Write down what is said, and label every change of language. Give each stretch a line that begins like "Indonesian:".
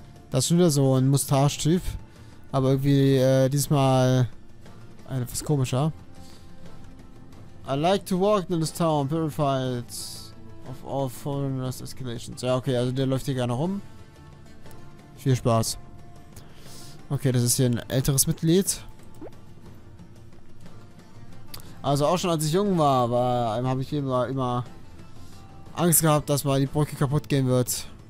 German: Das ist schon wieder so ein Mustache-Typ. Aber irgendwie diesmal etwas komischer.
English: I like to walk in this town, purified of all foreigners' escalations.
German: Ja, okay, also der läuft hier gerne rum. Viel Spaß. Okay, das ist hier ein älteres Mitglied. Also auch schon als ich jung war, habe ich immer Angst gehabt, dass mal die Brücke kaputt gehen wird.